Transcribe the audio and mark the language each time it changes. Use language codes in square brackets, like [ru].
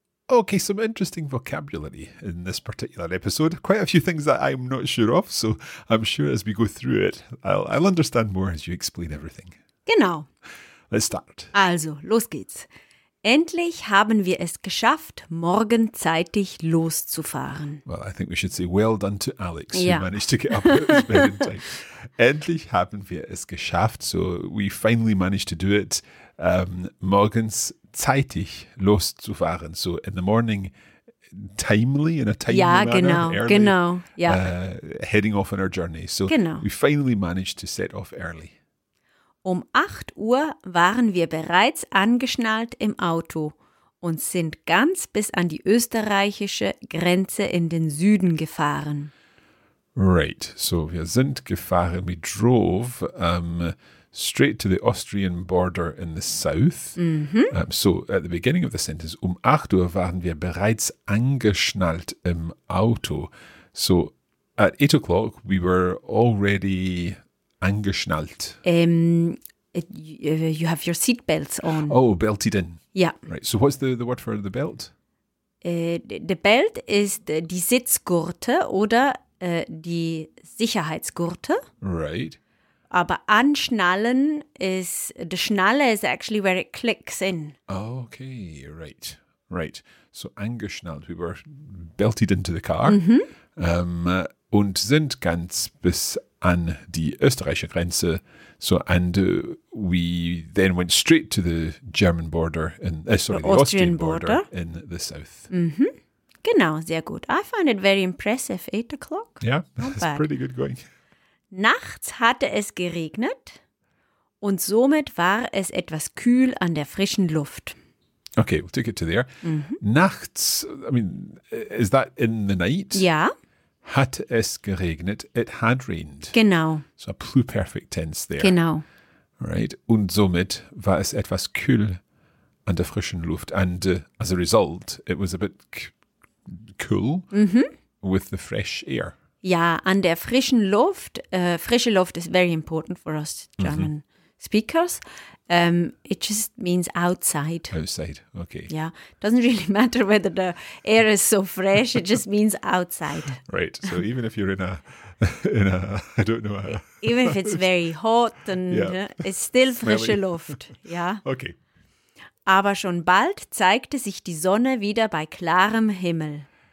[en] Okay, some interesting vocabulary in this particular episode. Quite a few things that I'm not sure of, so I'm sure as we go through it, I'll understand more as you explain everything. [de] Genau. [en] Let's start. [de] Also, los geht's. Endlich haben wir es geschafft, morgen zeitig loszufahren. [en] Well, I think we should say well done to Alex, yeah, who managed to get up at his bed in time. [de] Endlich haben wir es geschafft, [en] so we finally managed to do it, [de] morgens zeitig loszufahren. [en] So in the morning, timely, in a timely yeah, manner, [de] genau, [en] early, genau, yeah, heading off on our journey. So genau, we finally managed to set off early. [de] Um 8 Uhr waren wir bereits angeschnallt im Auto und sind ganz bis an die österreichische Grenze in den Süden gefahren. [en] Right, so [de] wir sind gefahren, [en] we drove straight to the Austrian border in the south. Mm-hmm. So at the beginning of the sentence, [de] um 8 Uhr waren wir bereits angeschnallt im Auto. [en] So at 8 o'clock we were already angeschnallt. You have your seat belts on. Oh, belted in. Yeah. Right. So what's the word for the belt? The belt is [de] die Sitzgurte oder die Sicherheitsgurte. [en] Right. [de] Aber anschnallen [en] is, the Schnalle is actually where it clicks in. Okay, right. Right. So angeschnallt. We were belted into the car. Mm-hmm. [de] Und sind ganz bis an die österreichische Grenze. [en] So, and we then went straight to the German border, the Austrian border in the south. [de] Mm-hmm. Genau, sehr gut. [en] I found it very impressive, 8 o'clock. Yeah, not that's bad. Pretty good going. [de] Nachts hatte es geregnet und somit war es etwas kühl an der frischen Luft. [en] Okay, we'll take it to there. Mm-hmm. Nachts, I mean, is that in the night? Yeah. [de] Hat es geregnet? [en] It had rained. [de] Genau. [en] So a pluperfect tense there. [de] Genau. [en] Right. [de] Und somit war es etwas kühl an der frischen Luft. [en] And as a result, it was a bit cool with the fresh air. [de] Ja, an der frischen Luft. Frische Luft [en] is very important for us German speakers. It just means outside. Outside, okay. Yeah, doesn't really matter whether the air is so fresh, it just means outside. Right, so even if you're in a, I don't know. Even if it's very hot and yeah, it's still [de] frische Luft, [en] yeah. Okay. [de] Aber schon bald zeigte sich die Sonne wieder bei klarem Himmel.